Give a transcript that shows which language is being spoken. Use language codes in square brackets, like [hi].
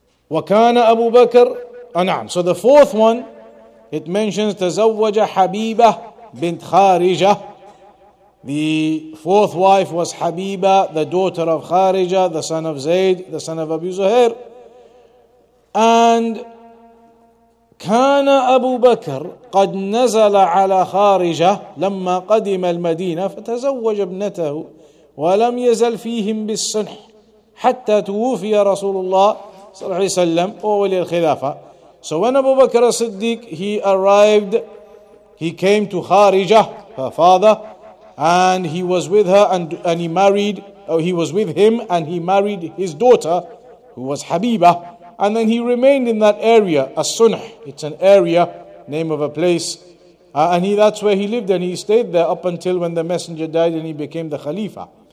[ar] Wa kana Abu Bakr, na'am. [en] So the fourth one, it mentions tazawwaja Habiba bint Kharija. The fourth wife was Habiba, the daughter of Kharija, the son of Zayd, the son of Abi Zuhair. [ar] And كان أبو بكر قد نزل على خارجة لما قدم المدينة فتزوج ابنته ولم يزل فيهم بالصنح حتى توفي رسول الله صلى الله عليه وسلم وولي الخلافة. [en] So when Abu Bakr as-Siddiq, he arrived, he came to Kharijah, her father, and he was with her and he married, or he was with him and he married his daughter, who was Habiba, and then he remained in that area, as-Sunh, it's an area, name of a place, that's where he lived and he stayed there up until when the messenger died and he became the Khalifa.